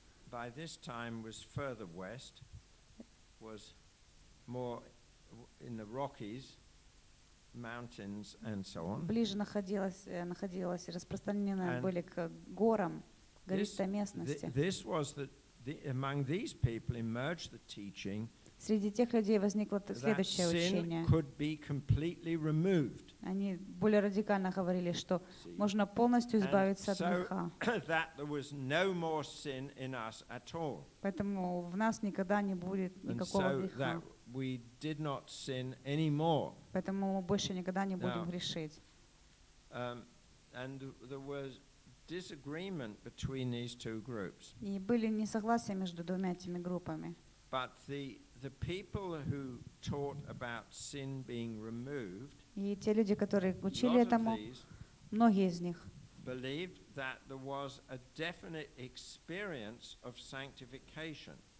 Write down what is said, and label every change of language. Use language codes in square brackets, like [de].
[en] By this time was further west, was more in the Rockies, mountains and so on. [ru] Ближе находилась, распространена были к горам, гористой местности. [en] This was the among these people emerged the teaching. [ru] Среди тех людей возникло следующее учение. [en] That sin could be completely removed. [ru] Они более радикально говорили, что можно полностью избавиться от греха. [en] That there was no more sin in us at all. [ru] Поэтому в нас никогда не будет никакого греха. [en] We did not sin anymore. [ru] Поэтому мы больше никогда не будем грешить. [en] And there was disagreement between these two groups. [ru] И были несогласия между двумя этими группами. [en] But the people who taught about sin being removed. [ru] И те люди, которые учили этому, многие из них [en] believed that there was a definite experience of sanctification.